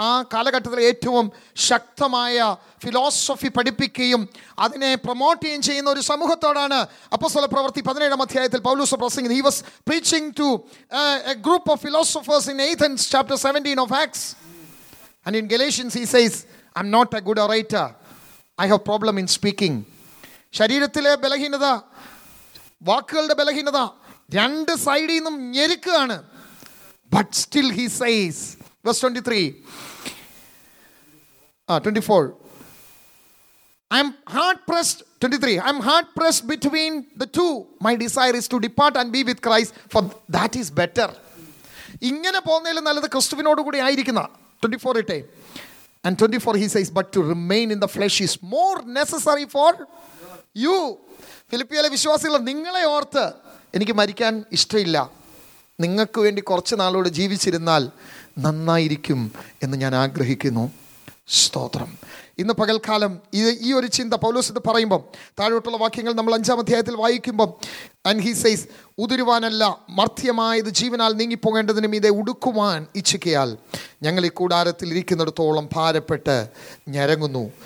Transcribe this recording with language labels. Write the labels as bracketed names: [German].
[Malayalam] ആ കാലഘട്ടത്തിലെ ഏറ്റവും ശക്തമായ ഫിലോസഫി പഠിപ്പിക്കുകയും അതിനെ പ്രൊമോട്ട് ചെയ്യുകയും ചെയ്യുന്ന ഒരു സമൂഹത്തോടാണ് അപ്പോസ്തല പ്രവൃത്തി 17 അധ്യായത്തിൽ പൗലൂസ് പ്രസംഗിച്ചത്. [English] He was preaching to a group of philosophers in Athens chapter 17 of Acts. And in Galatians he says I am not a good orator, I have problem in speaking. [Malayalam] ശരീരത്തിലെ ബലഹീനത, വാക്കുകളുടെ ബലഹീനത, രണ്ട് സൈഡിൽ നിന്നും ഞെരുക്കുകയാണ്. [English] But still he says, verse 24, I am hard pressed between the two. My desire is to depart and be with Christ, for that is better. [Malayalam] ഇങ്ങനെ പോകുന്നതിൽ നല്ലത് ക്രിസ്തുവിനോടുകൂടി ആയിരിക്കുന്ന 24 ഇട്ടെ. [English] And 24 he says, but to remain in the flesh is more necessary for you. [Malayalam] ഫിലിപ്പിയിലെ വിശ്വാസികൾ, നിങ്ങളെ ഓർത്ത് എനിക്ക് മരിക്കാൻ ഇഷ്ടമില്ല, നിങ്ങൾക്ക് വേണ്ടി കുറച്ച് നാളോട് ജീവിച്ചിരുന്നാൽ നന്നായിരിക്കും എന്ന് ഞാൻ ആഗ്രഹിക്കുന്നു. സ്തോത്രം. ഇന്ന് പകൽക്കാലം ഇത് ഈ ഒരു ചിന്ത പൗലോസ് ഇത് പറയുമ്പം താഴോട്ടുള്ള വാക്യങ്ങൾ നമ്മൾ 5 അധ്യായത്തിൽ വായിക്കുമ്പം, [English] and he says [Malayalam] ഉതിരുവാനല്ല മർത്യമായത് ജീവനാൽ നീങ്ങിപ്പോകേണ്ടതിനും ഇതേ ഉടുക്കുവാൻ ഇച്ഛിക്കയാൽ ഞങ്ങൾ ഈ കൂടാരത്തിൽ ഇരിക്കുന്നിടത്തോളം ഭാരപ്പെട്ട് ഞരങ്ങുന്നു.